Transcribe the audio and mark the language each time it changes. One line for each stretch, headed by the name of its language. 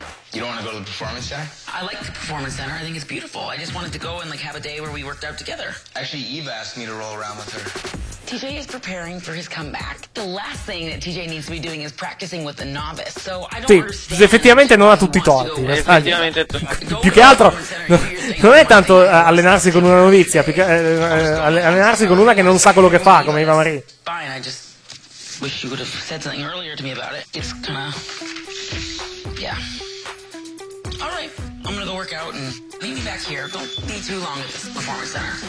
English: You don't want to go to the performance center? I like the performance center. I think it's beautiful. I just wanted to go and like have a day where we worked out together. Actually, Eva asked me to roll around with her. TJ is preparing for his comeback. The last thing that TJ needs to be doing is practicing with the novice. So I don't understand.
Italian: Effettivamente non ha tutti i torti. Effettivamente. Più che altro non è tanto allenarsi con una novizia, più che allenarsi con una che non sa quello che fa, come Eva Marie.
English: Fine, I just wish you would have said something earlier to me about it. It's kind of, yeah. Alright, I'm gonna go work out and meet me back here. Don't be too long at this performance center.